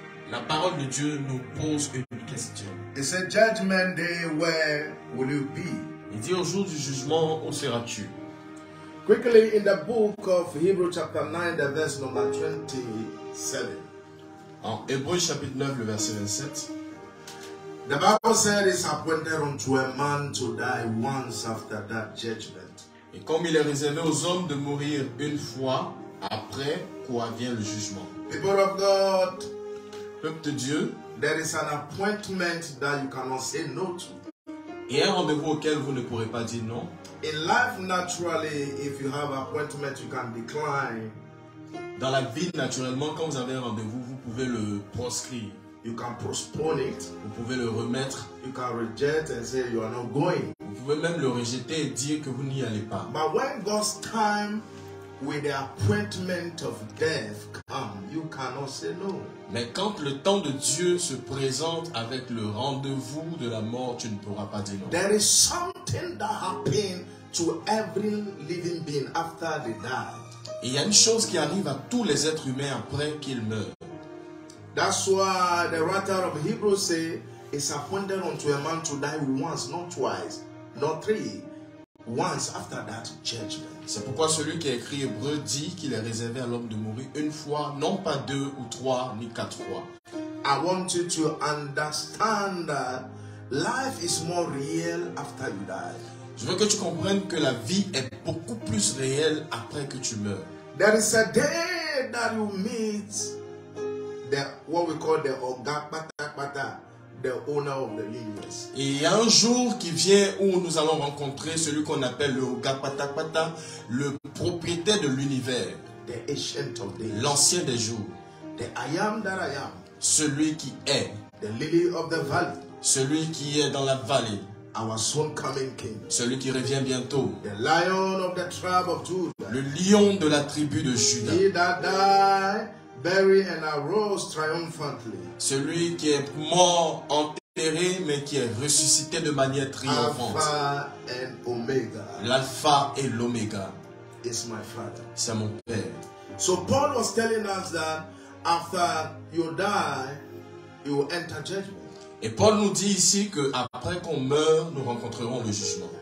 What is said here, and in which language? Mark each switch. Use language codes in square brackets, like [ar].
[fr] La parole de Dieu nous pose une question. [en] It's a judgment day, where will you be? [fr] Il dit au jour du jugement, où seras-tu? [en] Quickly, in the book of Hebrews chapter 9, the verse number 27. [fr] En Hébreux chapitre 9, le verset 27. [en] The Bible said it's appointed unto a man to die once after that judgment. [fr] Et comme il est réservé aux hommes de mourir une fois, après quoi vient le jugement. [en] People of God, [fr] peuple de Dieu, [en] there is an appointment that you cannot say no to. [fr] Et un rendez-vous auquel vous ne pourrez pas dire non. [en] In life, naturally, if you have appointment, you can decline. [fr] Dans la vie, naturellement, quand vous avez un rendez-vous, vous pouvez le proscrire. [en] You can postpone it. [fr] Vous pouvez le remettre. [en] You can reject and say you are not going. [fr] Vous pouvez même le rejeter et dire que vous n'y allez pas. [en] But when God's time with the appointment of death comes, you cannot say no. [fr] Mais quand le temps de Dieu se présente avec le rendez-vous de la mort, tu ne pourras pas dire non. [en] There is something that happens to every living being after they die. [fr] Il y a une chose qui arrive à tous les êtres humains après qu'ils meurent. [en] That's why the writer of Hebrews say it's appointed unto a man to die once, not twice, not three, once after that judgment. [fr] C'est pourquoi celui qui a écrit Hébreux dit qu'il est réservé à l'homme de mourir une fois, non pas deux ou trois, ni quatre fois. [en] I want you to understand that life is more real after you die. [fr] Je veux que tu comprennes que la vie est beaucoup plus réelle après que tu meurs. [en] There is a day that you meet the what we call the Ogapatapata, the owner of the universe. [fr] Et il y a un jour qui vient où nous allons rencontrer celui qu'on appelle le Ogapatapata, le propriétaire de l'univers, [en] the ancient of days, [fr] l'ancien des jours, [en] the I am that I am, [fr] celui qui est, [en] the lily of the valley, [fr] celui qui est dans la vallée. [en] our soon coming king. [fr] Celui qui revient bientôt. [en] The lion of the tribe of Judah. [fr] Le lion de la tribu de Juda. [en] He that died, buried, and arose triumphantly. [fr] Celui qui est mort, enterré, mais qui est ressuscité de manière triomphante. [en] Alpha and Omega. [fr] L'alpha et l'oméga. [en] Is my father. [fr] C'est mon père. [en] So Paul was telling us that after you die, you will enter judgment. [fr] Et Paul nous dit ici que après qu'on meurt, nous rencontrerons le jugement.